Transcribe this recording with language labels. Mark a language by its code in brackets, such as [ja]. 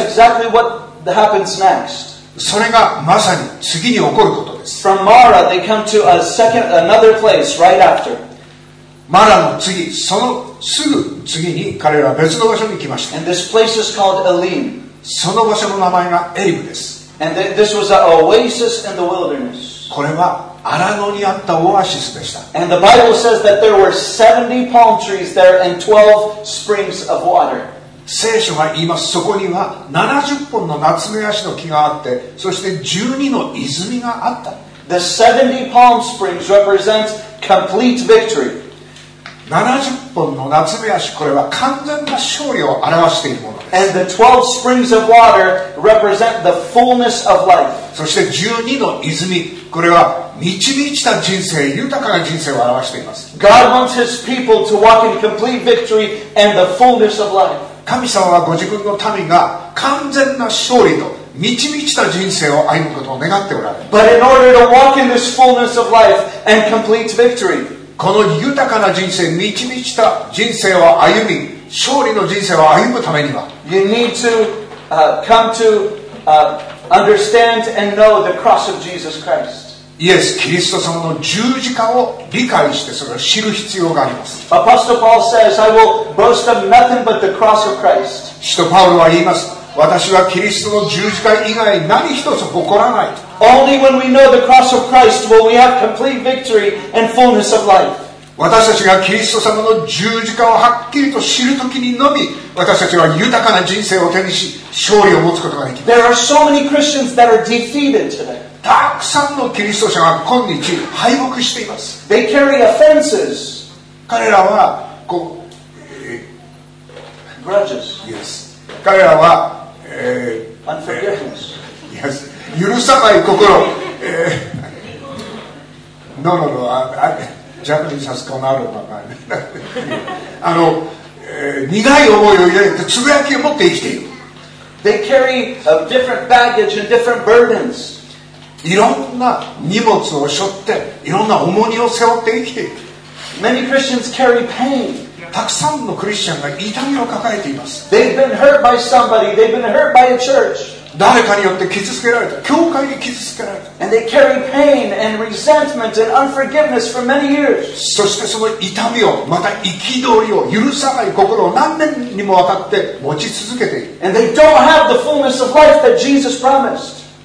[en] And that's exactly whatHappens next. [ja] それがまさに次に起こることです。 [en] From Mara, they come to a second, another place right after. [ja] マラの次、そのすぐ次に彼らは別の場所に来ました。 [en] And this place is called Elim. [ja] その場所の名前がエリムです。 [en] And this was an oasis in the wilderness. [ja] これは荒野にあったオアシスでした。 [en] And the Bible says that there were 70 palm trees there and 12 springs of water. [ja] 聖書が言います。そこには70本の夏目ヤシの木があって、そして12の泉があった。 [en] The 70 palm springs represent complete victory. [ja] 70本の夏目ヤシ、これは完全な勝利を表しているものです。 [en] And the 12 springs of water represent the fullness of life. [ja] そして12の泉、これは満ち満ちた人生、豊かな人生を表しています。 [en] God wants his people to walk in complete victory and the fullness of life. [ja] 神様はご自分の民が完全な勝利と満ち満ちた人生を歩むことを願っておられる。 [en] But in order to walk in this fullness of life and complete victory, [ja] この豊かな人生、満ち満ちた人生を歩み、勝利の人生を歩むためには、 [en] You need to come to understand and know the cross of Jesus Christ. [ja] イエス・キリスト様の十字架を理解して、それを知る必要があります。 [en] Apostle Paul says, I will boast of nothing but the cross of Christ. [ja] 使徒パウロは言います。私はキリストの十字架以外何一つ誇らない。 [en] Only when we know the cross of Christ will we have complete victory and fullness of life. [ja] 私たちがキリスト様の十字架をはっきりと知るときにのみ、私たちは豊かな人生を手にし、勝利を持つことができます。 [en] There are so many Christians that are defeated today. [ja] たくさんのキリスト者が今日敗北しています。 [en] They carry offenses. [ja] 彼らはこう、 [en] Grudges. Yes. [ja] 彼らは、 [en] Unforgiveness. Yes. [ja] 許さない心、 [en] No, no, no. Japanese has gone out of my mind. [ja] 苦い思いを抱いてつぶやきを持って生きている。 [en] They carry different baggage and different burdens. [ja] いろんな荷物を背負って、いろんな重荷を背負って生きている。 [en] Many Christians carry pain. [ja] たくさんのクリスチャンが痛みを抱えています。 [en] They've been hurt by somebody. They've been hurt by a church. [ja] 誰かによって傷つけられた、教会に傷つけられた。 [en] And they carry pain and resentment and unforgiveness for many years. [ja] そしてその痛みを、また憤りを、許さない心を何年にもわたって持ち続けている。 [en] And they don't have the fullness of life that Jesus promised.